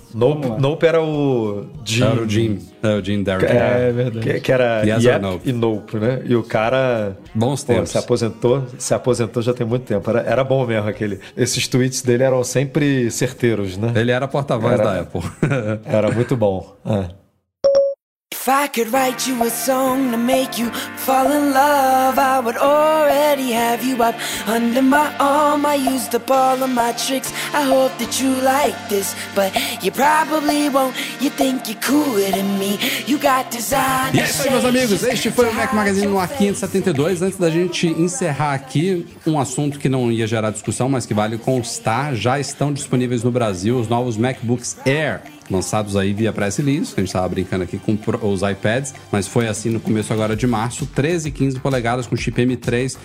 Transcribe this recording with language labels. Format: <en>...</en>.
<pt>Nope era o Jim. Era o Jim Derrick. É verdade. Que era yes yep nope. E Nope, né? E o cara... Bons tempos. Pô, se aposentou já tem muito tempo. Era bom mesmo aquele... Esses tweets dele eram sempre certeiros, né? Ele era porta-voz da Apple. Era muito bom. É.</pt> <en>If I could write you a song to make you fall in love, I would already have you up under my arm. I used up all of my tricks. I hope that you like this, but you probably won't. You think you're cooler than me. You got design.</en> <pt>E aí, meus amigos, este foi o Mac Magazine no A572. Antes da gente encerrar aqui, um assunto que não ia gerar discussão, mas que vale constar, já estão disponíveis no Brasil os novos MacBooks Air, lançados aí via press release. A gente estava brincando aqui com os iPads, mas foi assim no começo agora de março, 13 e 15 polegadas com chip M3.</pt>